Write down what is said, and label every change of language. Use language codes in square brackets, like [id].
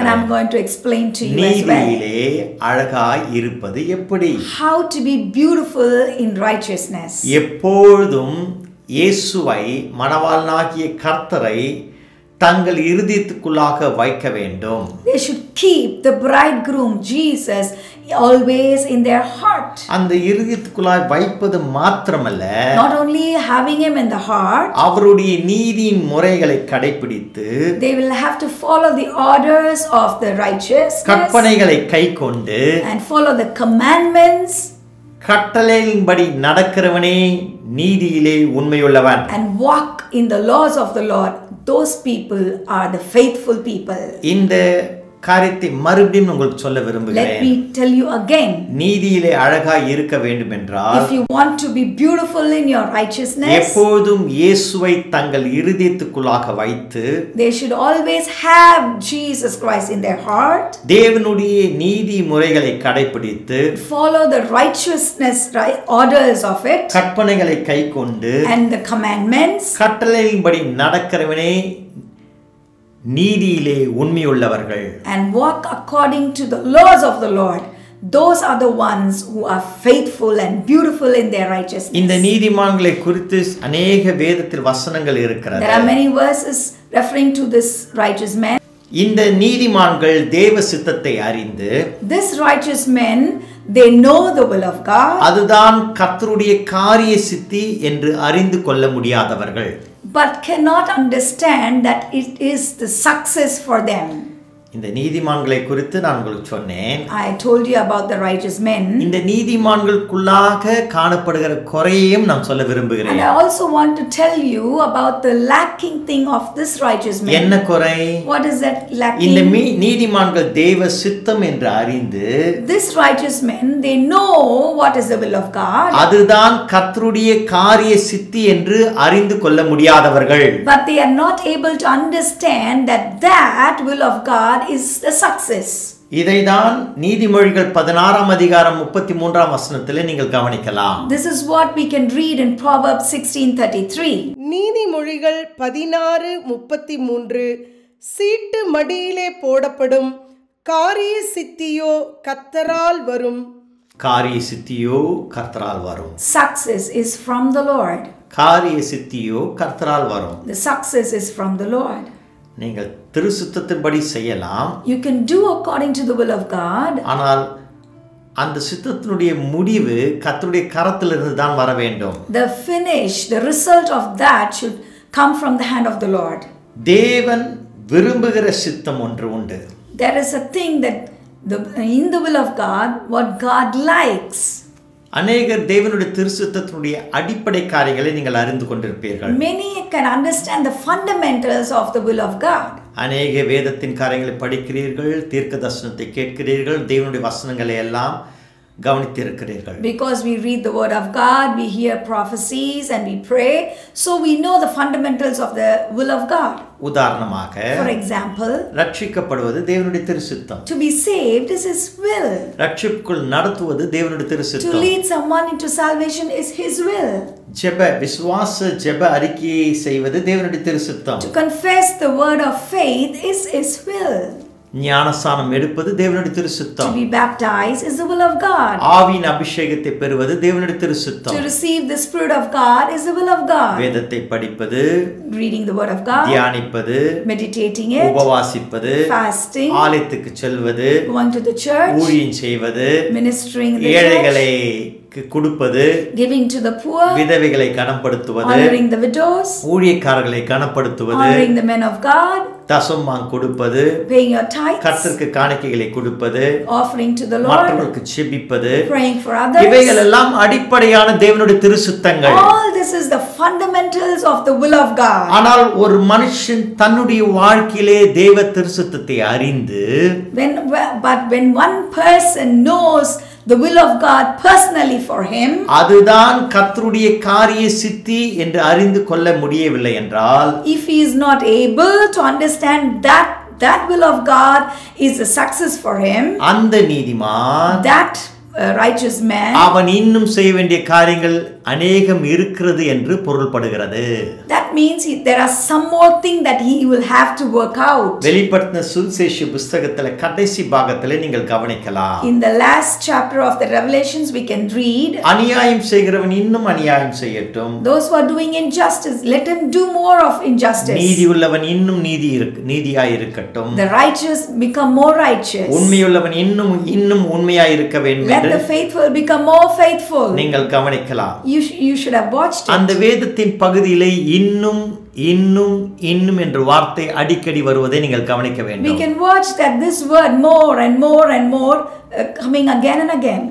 [en] And I'm going to explain to you as well. [ta] நீதியிலே அழகாய் இருப்பது எப்படி? [en] How to be beautiful in righteousness? [ta] எப்பொழுதும் இயேசுவை மனவாளனாகிய கர்த்தரை தங்கள் இருதயத்துக்குள்ளாக வைக்க வேண்டும். [en] They should keep the bridegroom Jesus always in their heart. [ta] அந்த இருதயத்துக்குள்ளாய் வைப்பது மாத்திரமல்ல, [en] Not only having him in the heart, [ta] அவருடைய நீதியின் முறைகளை கடைபிடித்து, [en] They will have to follow the orders of the righteous, [ta] கற்பனைகளை கைக்கொண்டு, [en] and follow the commandments. [ta] கட்டளையின்படி நடக்கிறவனே நீதியிலே உண்மையுள்ளவன். [en] And walk in the laws of the Lord. Those people are the faithful people. [ta] இந்த காரியத்தை மறுபடியும் உங்களுக்கு சொல்ல விரும்புகிறேன். [en] Let me tell you again. [ta] நீதியிலே அழகாய் இருக்க வேண்டும் என்றால், [en] If you want to be beautiful in your righteousness, [ta] எப்போதும் இயேசுவை தங்கள் இருதயத்துக்குள்ளாக வைத்து, [en] They should always have Jesus Christ in their heart. [ta] தேவனுடைய நீதி முறைகளை கடைபிடித்து, [en] Follow the righteousness orders of it. [ta] கற்பனைகளை கைக்கொண்டு, [en] And the commandments. [ta] கட்டளையின்படி நடக்கிறவனே நீதியிலே உண்மையுள்ளவர்கள். [en] And walk according to the laws of the Lord. Those are the ones who are faithful and beautiful in their righteousness. [ta] இந்த நீதிமான்களை குறித்து அநேக வேதத்தில் வசனங்கள் இருக்கிறது. [en] There are many verses referring to this righteous man. [ta] இந்த நீதிமான்கள் தேவ சித்தத்தை அறிந்து, [en] This righteous man, they know the will of God. [ta] அதுதான் கர்த்தருடைய காரிய சித்தி என்று அறிந்து கொள்ள முடியாதவர்கள். [en] But cannot understand that it is the success for them. [ta] இந்த நீதிமான்களை குறித்து நான் உங்களுக்கு சொன்னேன். [en] I told you about the righteous men. [ta] இந்த நீதிமான்களுக்குள்ளாக காணப்படுகிற குறையையும் நான் சொல்ல விரும்புகிறேன். [en] And I also want to tell you about the lacking thing of this righteous man. [ta] என்ன குறை? [en] What is that lacking? [ta] இந்த நீதிமான்கள் தேவ சித்தம் என்று அறிந்து, [en] This righteous men, they know what is the will of God. [ta] அதுதான் கர்த்தருடைய காரிய சித்தி என்று அறிந்து கொள்ள முடியாதவர்கள். [en] But they are not able to understand that that will of God is the success. [ta] இதைதான் நீதிமொழிகள் 16 அதிகாரம் 33 வசனத்திலே நீங்கள் கவனிக்கலாம். [en] This is what we can read in Proverbs 16:33. [ta] நீதிமொழிகள் 16:33 சீட்டு மடியிலே போடப்படும் காரிய சித்தியோ கர்த்தரால் வரும். காரிய சித்தியோ கர்த்தரால் வரும். [en] Success is from the Lord. [ta] காரிய சித்தியோ கர்த்தரால் வரும். [en] The success is from the Lord. [ta] நீங்கள் திருசுத்தத்தின்படி செய்யலாம். [en] You can do according to the will of God. [ta] ஆனால் அந்த சித்தத்தினுடைய முடிவு கர்த்தருடைய கரத்திலிருந்து தான் வர வேண்டும். [en] The finish, the result of that should come from the hand of the Lord. [ta] தேவன் விரும்புகிற சித்தம் ஒன்று உண்டு. [en] There is a thing that in the will of God, what God likes. [ta] அநேகர் தேவனுடைய திருசுத்தத்தினுடைய அடிப்படை காரியங்களை நீங்கள் அறிந்து கொண்டிருப்பீர்கள். [en] Many can understand the fundamentals of the will of God. [ta] அநேக வேதத்தின் காரியங்களை படிக்கிறீர்கள், தீர்க்க தரிசனத்தை கேட்கிறீர்கள், தேவனுடைய வசனங்களை எல்லாம் கவனித்திருக்கிறீர்கள். [en] Because we read the word of God, we hear prophecies and we pray, so we know the fundamentals of the will of God. [ta] உதாரணமாக, [en] For example, [ta] ரட்சிக்கப்படுவது தேவனுடைய திருசித்தம். [en] To be saved is His will. [ta] ரட்சிப்புக்குள் நடத்துவது தேவனுடைய திருசித்தம். [en] To lead someone into salvation is His will. [ta] ஜெப விசுவாச ஜெப அறிக்கையை செய்வது தேவனுடைய திருசித்தம். [en] To confess the word of faith is His will. [ta] ஞானஸ்நானம் எடுப்பது தேவனுடைய திருசித்தம். [en] To be baptized is the will of God. [ta] ஆவியின் அபிஷேகத்தை பெறுவது தேவனுடைய திருசித்தம். [en] To receive the spirit of God is the will of God. [ta] வேதத்தை படிப்பது, [en] reading the word of God, [ta] தியானிப்பது, [en] meditating it, [ta] உபவாசிப்பது, [en] fasting, [ta] ஆலயத்துக்கு செல்வது, [en] going to the church, [ta] ஊழியம் செய்வது, [en] ministering the [ta] ஏழைகளை கொடுப்பது, [en] giving to the poor, [ta] விதவைகளை கனப்படுத்துவது, [en] honoring the widows, [ta] ஊழியக்காரர்களை கனப்படுத்துவது, [en] honoring the men of God, [ta] தசமம் கொடுப்பது, [en] paying your tithes, [ta] கர்த்தருக்கு காணிக்கைகளை கொடுப்பது, [en] offering to the Lord, [ta] மற்றவர்களுக்கு செபிப்பது, [en] praying for others. [ta] இவைகள் எல்லாம் அடிப்படையான தேவனுடைய திருசுத்தங்கள். [en] All this is the fundamentals of the will of God. [ta] ஆனால் ஒரு மனுஷன் தன்னுடைய வாழ்க்கையிலே தேவ திருசுத்தத்தை அறிந்து, [en] when one person knows the will of God personally for him, [ta] அதுதான் கர்த்தருடைய காரிய சித்தி என்று அறிந்து கொள்ள முடியவில்லை என்றால், [en] if he is not able to understand that will of God is a success for him, [ta] அந்த நீதிமான், [en] that righteous man, [ta] அவன் இன்னும் செய்ய வேண்டிய காரியங்கள் அநேகம் இருக்கிறது என்று பொருள்படுகிறது. [en] That means there are some more thing that he will have to work out. [ta] வெளிப்படுத்தின சுவிசேஷ புத்தகத்தில் கடைசி பாகத்தில் நீங்கள் கவனிக்கலாம். [en] In the last chapter of the Revelations we can read. [ta] அநியாயம் செய்கிறவன் இன்னும் அநியாயம் செய்யட்டும். [en] Those who are doing injustice, let him do more of injustice. [ta] நீதி உள்ளவன் இன்னும் நீதி நீதியாய் இருக்கட்டும். [en] The righteous become more righteous. [ta] உண்மையுள்ளவன் இன்னும் உண்மையாய் இருக்க வேண்டும். [en] Let the faithful become more faithful. [ta] நீங்கள் கவனிக்கலாம். [en] You should have watched it. [ta] அந்த வேதத்தின் பகுதியிலே இன்னும் இன்னும் இன்னும் என்ற வார்த்தை அடிக்கடி வருவதை நீங்கள் கவனிக்க வேண்டும். [en] We can watch that this word more and more and more coming again and again.